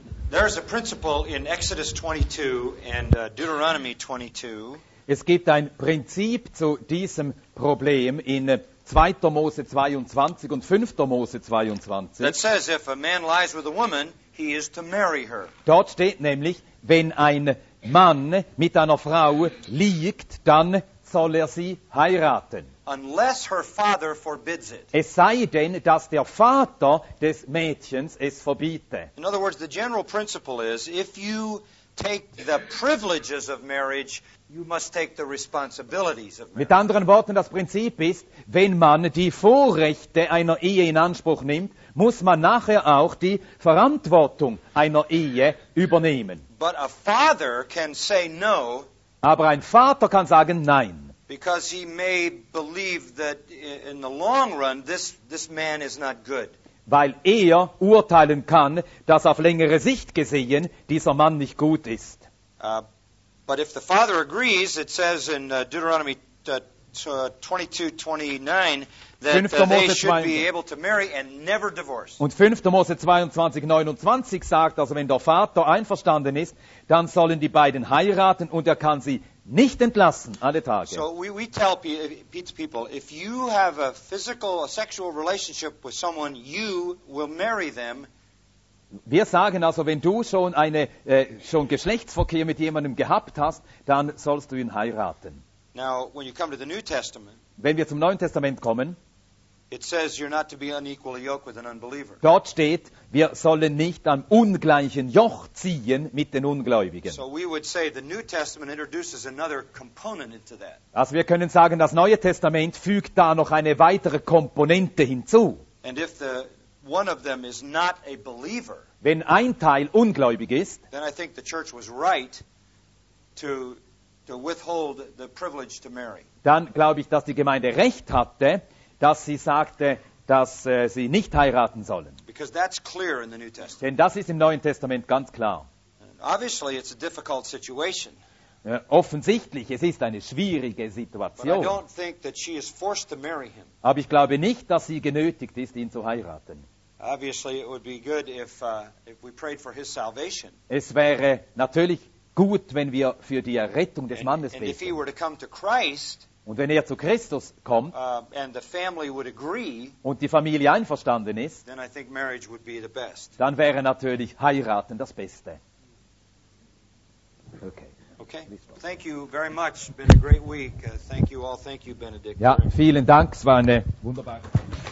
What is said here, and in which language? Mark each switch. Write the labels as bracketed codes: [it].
[en] There is a principle in Exodus 22 and Deuteronomy 22. [de] Es gibt ein Prinzip zu diesem Problem in 2. Mose 22 und 5. Mose 22. [en] That says if a man lies with a woman, he is to marry her. [de] Dort steht nämlich, wenn ein Mann mit einer Frau liegt, dann soll er sie heiraten. [en] Unless her father forbids it. [de] Es sei denn, dass der Vater des Mädchens es verbiete. [en] In other words, the general principle is, if you take the privileges of marriage, you must take the responsibilities of marriage. [de] Mit anderen Worten, das Prinzip ist, wenn man die Vorrechte einer Ehe in Anspruch nimmt, muss man nachher auch die Verantwortung einer Ehe übernehmen. [en] But a father can say no. [de] Aber ein Vater kann sagen nein. [en] Because he may believe that in the long run this man is not good. [de] Weil er urteilen kann, dass auf längere Sicht gesehen dieser Mann nicht gut ist. [en] But if the father agrees, it says in Deuteronomy 22:29 that they should be able to marry and never divorce. [de] Und 5. Mose 22:29 sagt, also wenn der Vater einverstanden ist, dann sollen die beiden heiraten und er kann sie nicht entlassen, alle Tage. [en] So we tell people, if you have a physical, a sexual relationship with someone, you will marry them. [de] Wir sagen also, wenn du schon eine schon Geschlechtsverkehr mit jemandem gehabt hast, dann sollst du ihn heiraten. [en] Now, when you come to the New Testament, [de] wenn wir zum Neuen Testament kommen, [en] it says you're not to be unequally yoked with an unbeliever. [de] Dort steht, wir sollen nicht am ungleichen Joch ziehen mit den Ungläubigen. [en] So we would say the New Testament introduces another component into that. [de] Also wir können sagen, das Neue Testament fügt da noch eine weitere Komponente hinzu. [en] And if the one of them is not a believer, [de] wenn ein Teil ungläubig ist, [en] then I think the church was right to withhold the privilege to marry. [de] Dann glaube ich, dass die Gemeinde recht hatte, dass sie sagte, dass sie nicht heiraten sollen. [en] Because that's clear in the New Testament. [de] Denn das ist im Neuen Testament ganz klar. [en] Obviously it's a difficult situation. [de] Offensichtlich, es ist eine schwierige Situation. [en] But I don't think that she is forced to marry him. [de] Aber ich glaube nicht, dass sie genötigt ist, ihn zu heiraten. [en] Obviously it would be good if we prayed for his salvation. [de] Es wäre natürlich gut, wenn wir für die Errettung des Mannes beten. [en] And if he were to come to Christ, [de] und wenn er zu Christus kommt [en] and the family would agree, [de] und die Familie einverstanden ist, [en] then I think marriage would be the best. [de] Dann wäre natürlich heiraten das Beste. [en] Okay. Okay. Thank you very much. It's been a great week. Thank you all. Thank you, Benedict. [de] Ja, vielen Dank. Es war eine wunderbare Zeit.